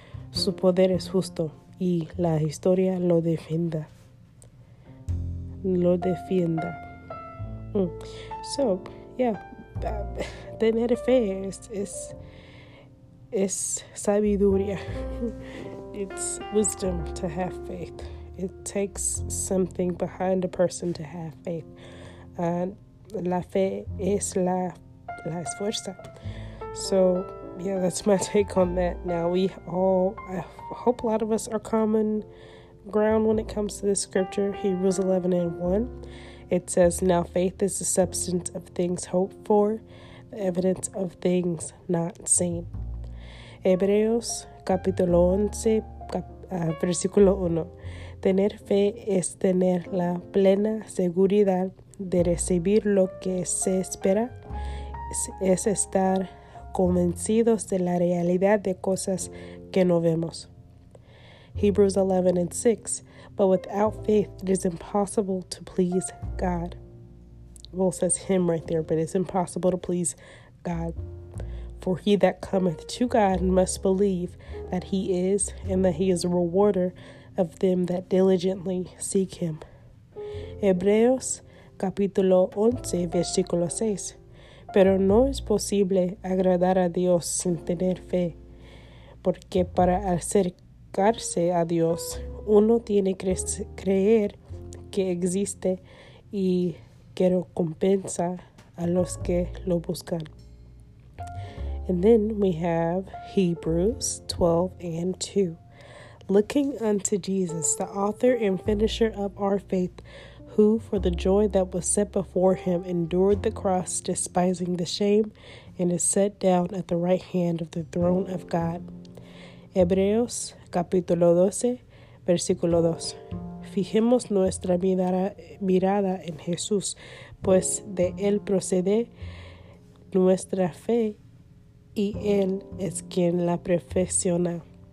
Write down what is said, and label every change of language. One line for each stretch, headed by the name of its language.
Spanish: Su poder es justo y la historia lo defienda. Lo defienda.
English: So, yeah,
Spanish: tener fe es sabiduría.
English: It's wisdom to have faith. It takes something behind a person to have faith.
Spanish: La fe es la esfuerza.
English: So, yeah, that's my take on that. Now, I hope a lot of us are common ground when it comes to this scripture, Hebrews 11 and 1. It says, now faith is the substance of things hoped for, the evidence of things not seen.
Spanish: Hebreos, capítulo 11, versículo 1. Tener fe es tener la plena seguridad de recibir lo que se espera, es estar convencidos de la realidad de cosas que no vemos.
English: Hebrews 11 and 6, but without faith it is impossible to please God. Well, it says him right there, but it's impossible to please God. For he that cometh to God must believe that he is, and that he is a rewarder of them that diligently seek him.
Spanish: Hebreos capítulo 11, versículo 6. Pero no es posible agradar a Dios sin tener fe, porque para acercarse a Dios, uno tiene que creer que existe y que recompensa a los que lo buscan.
English: And then we have Hebrews 12 and 2. Looking unto Jesus, the author and finisher of our faith, who for the joy that was set before him endured the cross, despising the shame, and is set down at the right hand of the throne of God.
Spanish: Hebreos, capítulo 12, Versículo 2. Fijemos nuestra mirada en Jesús, pues de Él procede nuestra fe y Él es quien la perfecciona.